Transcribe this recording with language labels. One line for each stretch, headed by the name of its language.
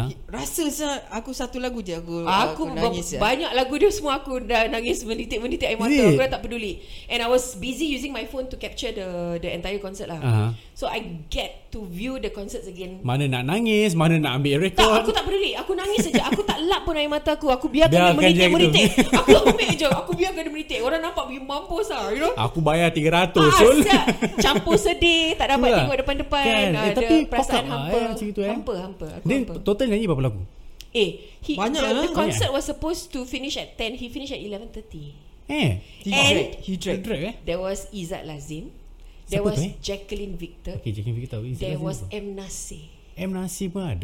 Malay: Rasa sah, aku satu lagu je aku nangis. Banyak lagu dia semua aku dah nangis menitik-menitik air mata. Yeah. Aku dah tak peduli.
English: And I was busy using my phone to capture the entire concert lah. So I get to view the concerts again.
Malay: Mana nak nangis, mana nak ambil rekod. Tak, aku tak peduli. Aku nangis saja. Aku tak lap pun air mata aku. Aku biarkan dia menitik-menitik. Aku ambil je. Aku biarkan dia menitik. Orang nampak pergi mampus lah.
English: You know?
Malay: Aku bayar RM300. Campur sedih. Tak dapat tengok depan-depan. Kan? Tapi perasaan hampa. Eh, hampa, hampa. Dia total nyanyi berapa lagu?
English: Eh, the concert was supposed to finish at 10. He finished at 11:30. And he drank. There was Izzat Lazim. There
Malay: siapa tu, Jacqueline Victor.
English: Okay, Jacqueline Victor. There Lazim was M. Nasir.
Malay: M. Nasir pun ada.